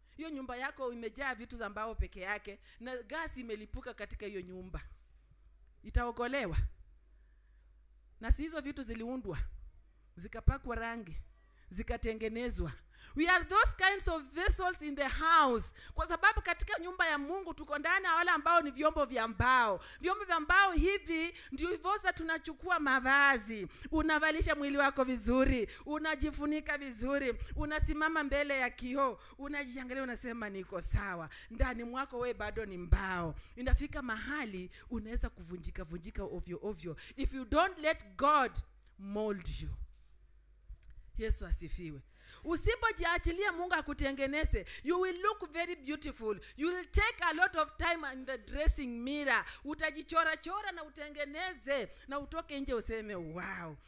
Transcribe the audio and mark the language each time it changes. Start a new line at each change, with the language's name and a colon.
Swahili: Hiyo nyumba yako imejaa vitu za mbao peke yake na gasi imelipuka katika hiyo nyumba. Itaokolewa? Na si hizo vitu ziliundwa, zikapakwa rangi, zikatengenezwa.
English: We are those kinds of vessels in the house.
Swahili: Kwa sababu katika nyumba ya Mungu tuko ndani ya wale ambao ni vyombo vya mbao. Vyombo vya mbao hivi ndio hivosa tunachukua mavazi. Unavalisha mwili wako vizuri, unajifunika vizuri, unasimama mbele ya kioo, unajiangalia unasema niko sawa. Ndani mwako wewe bado ni mbao. Inafika mahali unaweza kuvunjika vunjika ovyo ovyo.
English: If you don't let God mold you.
Swahili: Yesu asifiwe. Usipojiachilia Mungu akutengeneze,
English: you will look very beautiful. You will take a lot of time in the dressing mirror.
Swahili: Utajichora chora na utengeneze na utoke nje useme wow.